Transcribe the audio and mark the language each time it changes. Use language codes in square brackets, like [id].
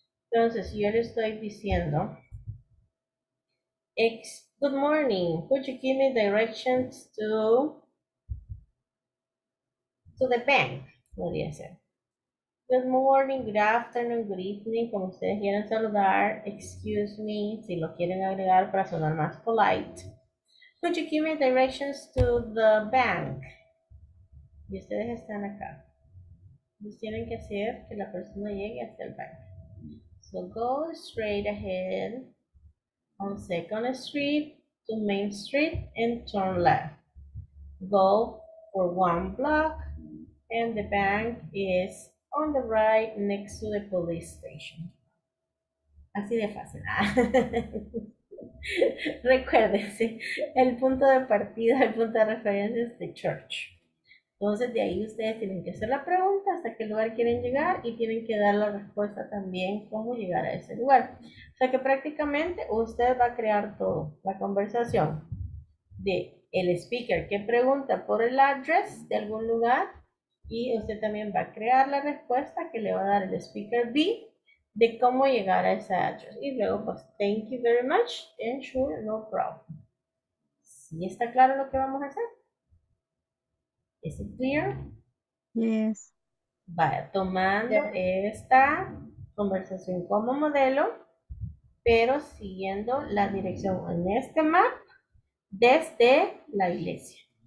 [es] Entonces, yo le estoy diciendo, [en] good morning, could you give me directions to the bank? [es] Podría ser. [en] Good morning, good afternoon, good evening, [es] como ustedes quieran saludar. [en] Excuse me, [es] si lo quieren agregar para sonar más polite. [en] Could you give me directions to the bank? [es] Y ustedes están acá. Ustedes tienen que hacer que la persona llegue hasta el bank. [en] So go straight ahead on Second Street to Main Street and turn left. Go for one block and the bank is on the right, next to the police station. [es] Así de fácil. Ah. Recuérdense, el punto de partida, el punto de referencia es the church. Entonces, de ahí ustedes tienen que hacer la pregunta hasta qué lugar quieren llegar y tienen que dar la respuesta también cómo llegar a ese lugar. O sea que prácticamente usted va a crear todo, la conversación de el speaker que pregunta por el address de algún lugar. Y usted también va a crear la respuesta que le va a dar el speaker B de cómo llegar a esa address. Y luego, pues, [en] thank you very much and sure, no problem. [es] ¿Sí está claro lo que vamos a hacer? ¿Es clear? [en] Yes. [es] Vaya, tomando esta conversación como modelo, pero siguiendo la dirección en este map desde la iglesia.